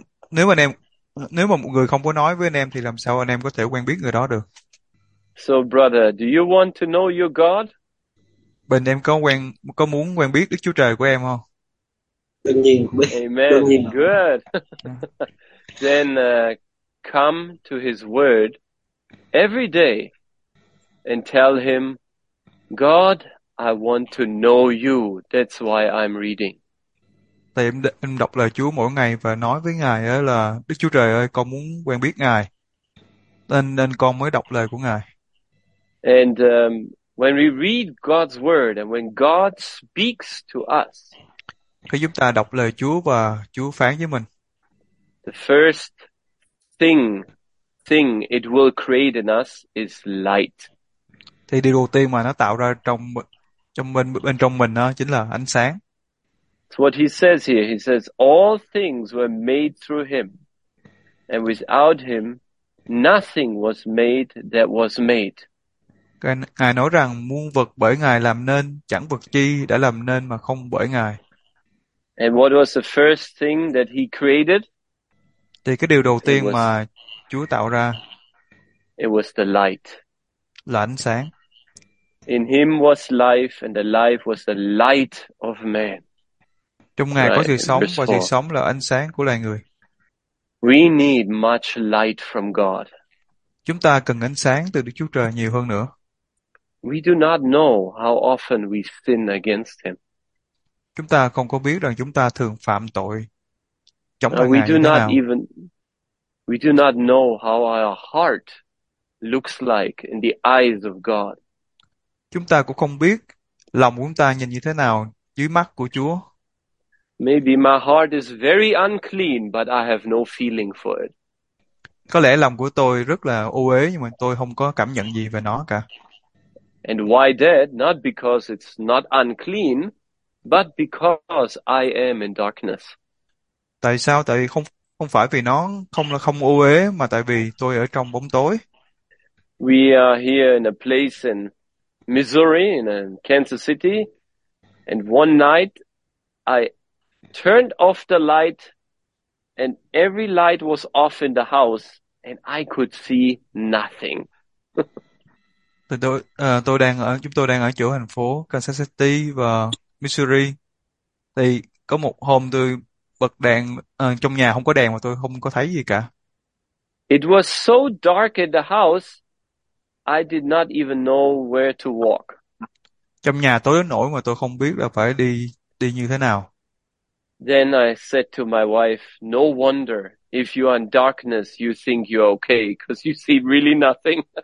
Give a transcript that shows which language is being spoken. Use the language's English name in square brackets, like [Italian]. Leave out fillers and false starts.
[Vietnamese] Nếu mà một người không có nói với anh em thì làm sao anh em có thể quen biết người đó được? [English] So brother, do you want to know your God? [Vietnamese] Bình em có muốn quen biết Đức Chúa Trời của em không? Đương nhiên biết. [English] Amen. [Vietnamese] Đương nhiên. [English] Good. Then come to his word every day and tell him, God, I want to know you. That's why I'm reading. [Vietnamese] Thì em đọc lời Chúa mỗi ngày và nói với Ngài là Đức Chúa Trời ơi, con muốn quen biết Ngài. Nên con mới đọc lời của Ngài. [English] And when we read God's word and when God speaks to us, [Vietnamese] khi chúng ta đọc lời Chúa và Chúa phán với mình, [English] the first thing it will create in us is light. [Vietnamese] Thì điều đầu tiên mà nó tạo ra trong trong bên bên trong mình đó chính là ánh sáng. [English] So what he says here, he says all things were made through him, and without him, nothing was made that was made. [Vietnamese] Ngài nói rằng muôn vật bởi Ngài làm nên, chẳng vật chi đã làm nên mà không bởi Ngài. [English] And what was the first thing that he created? [Vietnamese] Thì cái điều đầu tiên mà Chúa tạo ra [English] it was the light. [Vietnamese] Là ánh sáng. [English] In him was life and the life was the light of man. [Vietnamese] Trong Ngài [English] right, [Vietnamese] có sự sống và sự four. Sống là ánh sáng của loài người. [English] We need much light from God. [Vietnamese] Chúng ta cần ánh sáng từ Đức Chúa Trời nhiều hơn nữa. [English] We do not know how often we sin against him. [Vietnamese] Chúng ta không có biết rằng chúng ta thường phạm tội chống lại [English] we [Vietnamese] Ngài [English] do [Vietnamese] như thế [English] not [Vietnamese] nào. [English] Even we do not know how our heart looks like in the eyes of God. [Vietnamese] Chúng ta cũng không biết lòng của chúng ta nhìn như thế nào dưới mắt của Chúa. [English] Maybe my heart is very unclean, but I have no feeling for it. [Vietnamese] Có lẽ lòng của tôi rất là ô uế nhưng mà tôi không có cảm nhận gì về nó cả. [English] And why that? Not because it's not unclean, but because I am in darkness. [Vietnamese] Tại sao? Tại vì không phải vì nó không là không ô uế mà tại vì tôi ở trong bóng tối. [English] We are here in a place in Missouri, in Kansas City, and one night I turned off the light and every light was off in the house and I could see nothing. [Vietnamese] Tôi đang ở chúng tôi đang ở chỗ thành phố Kansas City và Missouri. Thì có một hôm tôi bật đèn trong nhà không có đèn mà tôi không có thấy gì cả. [English] It was so dark in the house, I did not even know where to walk. [Vietnamese] Trong nhà tối đến nỗi mà tôi không biết là phải đi đi như thế nào. [English] Then I said to my wife, "No wonder if you are in darkness, you think you're okay, because you see really nothing."